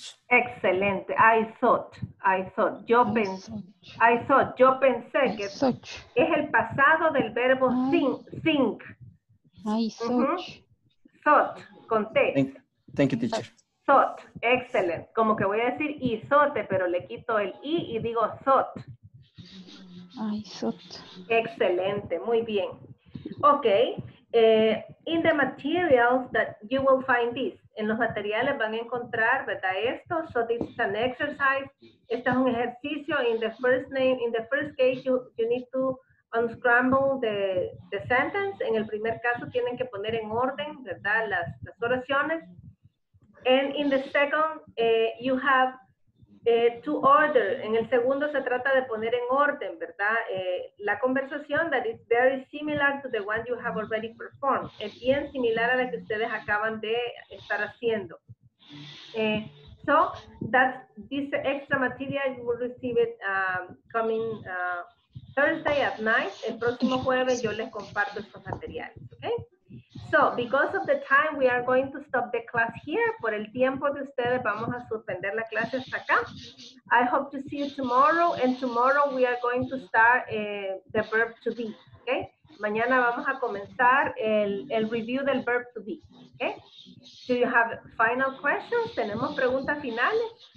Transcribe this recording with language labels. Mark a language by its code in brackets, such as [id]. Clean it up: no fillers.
[es] Excelente, [en] I thought. [es] Yo pensé que es el pasado del verbo think. [en] I thought, [es] con T. [en] Thank you, teacher. Thought, excellent. [es] Como que voy a decir isote, pero le quito el I y digo thought. [en] I thought. [es] Excelente, muy bien. [en] Okay, in the materials that you will find this. [es] En los materiales van a encontrar, ¿verdad? Esto, [en] so this is an exercise. [es] Este es un ejercicio. [en] In the first case, you need to unscramble the sentence. [es] En el primer caso tienen que poner en orden, ¿verdad?, las oraciones. [en] And in the second, you have to order. [es] En el segundo se trata de poner en orden, ¿verdad?, la conversación [en] that is very similar to the one you have already performed. [es] Es bien similar a la que ustedes acaban de estar haciendo. [en] So that this extra material you will receive it coming Thursday at night, [es] el próximo jueves yo les comparto estos materiales, [en] okay? So, because of the time, we are going to stop the class here. [es] Por el tiempo de ustedes, vamos a suspender la clase hasta acá. [en] I hope to see you tomorrow, and tomorrow we are going to start the verb to be, okay? [es] mañana vamos a comenzar el review del verb to be. Okay? [en] Do you have final questions? [es] ¿Tenemos preguntas finales?